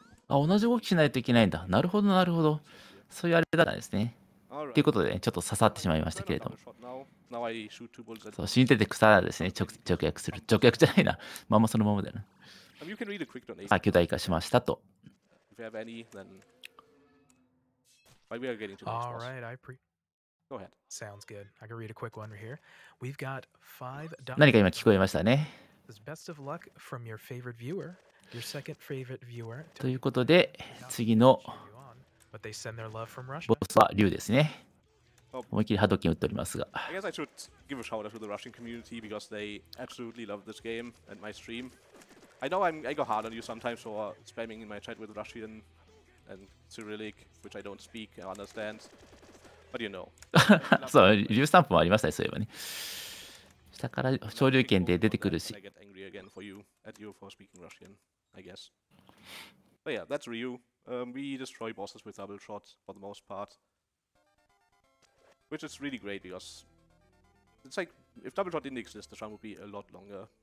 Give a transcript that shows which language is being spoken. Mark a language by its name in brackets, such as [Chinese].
[Japanese] あ、同じ動きしないといけないんだ。なるほど、なるほど。そういうあれだったんですね。 [English] Right. [Japanese] ということで、ね、ちょっと刺さってしまいましたけれども。 [English] Now I shoot 2 bullets at [Japanese] そう、死んでて草だですね、直訳する。直訳じゃないな。まあ、まあそのままだな。 [English] You can read a quick donation. [Japanese] あ、巨大化しましたと。 [English] If you have any, then we are getting to All right, I pre. Go ahead. Sounds good. I can read a quick one here. We've got five. [Japanese] 何か今聞こえましたね。 [English] Best of luck from your favorite viewer, your second favorite viewer. [Japanese] ということで、次のボスは龍ですね。思い切りハドキン打っておりますが。 [English] I guess I should give a shout out to the Russian community because they absolutely love this game and my stream. I know I go hard on you sometimes for spamming in my chat with Russian and Cyrillic, which I don't speak and understand. But you know. [Japanese] そう、リュースタンプもありましたね、そういえばね。下から潮流圏で出てくるし。 [English] I get angry again for you, at you for speaking Russian, I guess. But yeah, that's Ryu. We destroy bosses with double shots for the most part. Which is really great because... It's like, if double shot didn't exist, the run would be a lot longer.